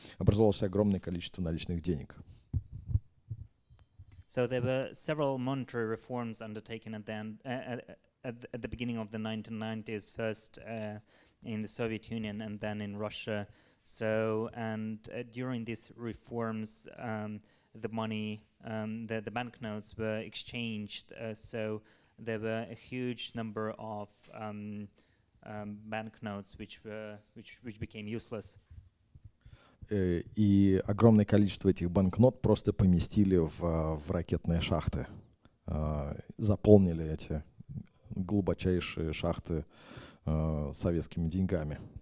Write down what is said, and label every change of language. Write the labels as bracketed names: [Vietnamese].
[Russian] Образовалось огромное количество наличных денег. [English] So there were several monetary reforms undertaken at the end, at the beginning of the 1990s, first in the Soviet Union and then in Russia. So, and during these reforms, the money, the banknotes were exchanged. So there were a huge number of banknotes which became useless. [Russian] И огромное количество этих банкнот просто поместили в ракетные шахты, заполнили эти глубочайшие шахты советскими деньгами.